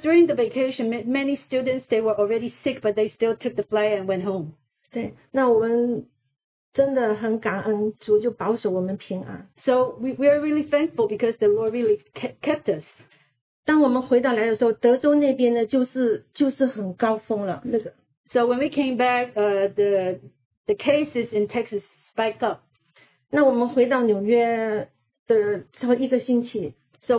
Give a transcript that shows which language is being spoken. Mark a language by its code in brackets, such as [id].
[en] during the vacation, many students they were already sick, but they still took the flight and went home. [zh] 对，那我们真的很感恩，主就保守我们平安。 [en] So we are really thankful because the Lord really kept us. [zh] 当我们回到来的时候，德州那边呢，就是很高峰了。那个。 [en] So when we came back, the cases in Texas spike up. [zh] 那我们回到纽约的超一个星期。 [en] So